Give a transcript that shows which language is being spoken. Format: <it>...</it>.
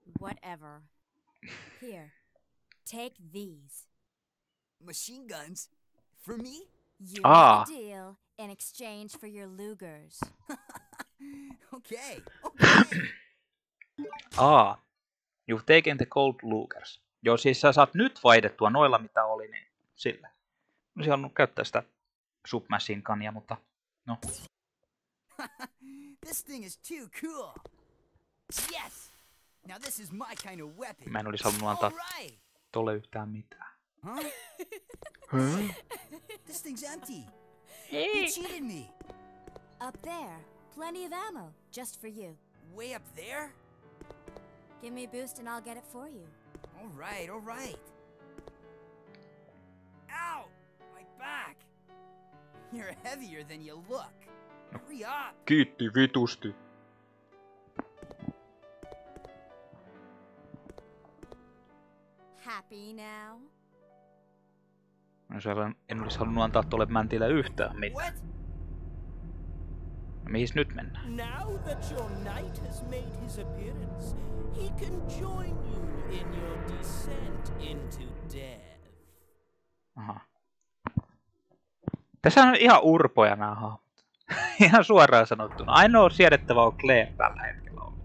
<en>Whatever. Here. Take these. Machine guns? For me? You get a deal in exchange for your Lugers. Okay. Ah. You've taken the cold Lugers.</en> <fi>Joo, siis sä saat nyt vaihdettua noilla, mitä oli, niin sillä. Mä olisin halunnut käyttää sitä submachine gunia, mutta no.</fi> <en>This thing is too cool. Yes. Now this is my kind of weapon.</en> <fi>Mä en olisi halunnut antaa tolle yhtään mitään. Huh? Huh?</fi> <en>This thing's empty. Hey. You cheated me. Up there, plenty of ammo, just for you. Way up there? Give me a boost and I'll get it for you. All right, all right. Ow! My back! You're heavier than you look. Hurry up!</en> <fi>Kiitti vitusti.</fi> <en>Happy now?</en> <fi>En olisi halunnut antaa tuolle mäntille yhtään mitään. Mihin nyt mennään?</fi> <en>Now that your knight has made his appearance, he can join you in your descent into death. Aha.</en> <fi>Tässä on ihan urpoja nämä hahmot. Ihan suoraan sanottuna. Ainoa siedettävä on Claire tällä hetkellä.</fi>